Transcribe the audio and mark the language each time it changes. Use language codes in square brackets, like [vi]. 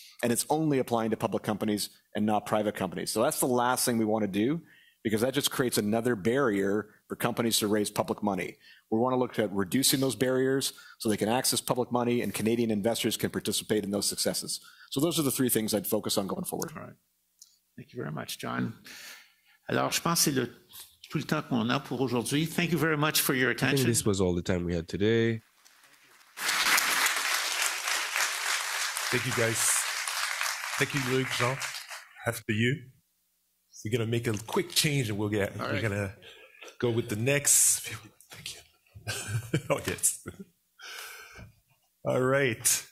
[en] And it's only applying to public companies and not private companies. So that's the last thing we want to do, because that just creates another barrier for companies to raise public money. We want to look at reducing those barriers so they can access public money and Canadian investors can participate in those successes. So those are the three things I'd focus on going forward. All right. Thank you very much, John. [fr] Alors, je pense que c'est tout le temps qu'on a pour aujourd'hui. [en] Thank you very much for your attention. I think this was all the time we had today. Thank you, guys. Thank you, Luc, Jean. After you. We're going to make a quick change and we're going to go with the next. Thank you. Oh, yes. All right.